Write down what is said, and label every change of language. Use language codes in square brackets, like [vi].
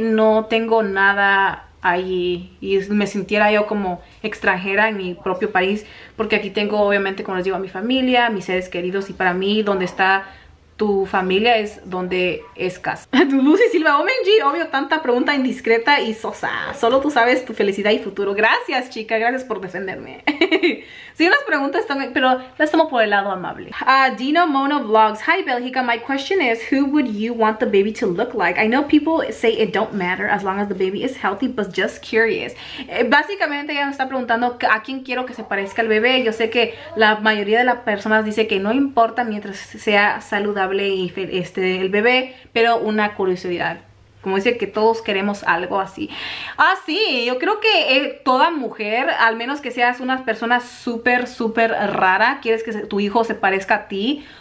[es] No tengo nada ahí y me sintiera yo como extranjera en mi propio país, porque aquí tengo, obviamente, como les digo, a mi familia, a mis seres queridos, y para mí donde está tu familia es donde es casa. Lucy Silva, OMG, obvio, tanta pregunta indiscreta y sosa. Solo tú sabes tu felicidad y futuro. Gracias, chica, gracias por defenderme. Sí, unas preguntas también, pero las tomo por el lado amable. [en] Dino Mono Vlogs. Hi, Bélgica. My question is, who would you want the baby to look like? I know people say it don't matter as long as the baby is healthy, but just curious. [es] Básicamente, ella me está preguntando a quién quiero que se parezca el bebé. Yo sé que la mayoría de las personas dice que no importa mientras sea saludable y este el bebé, pero una curiosidad. Como dice que todos queremos algo así. Ah, sí, yo creo que toda mujer, al menos que seas una persona súper, súper rara, quieres que tu hijo se parezca a ti.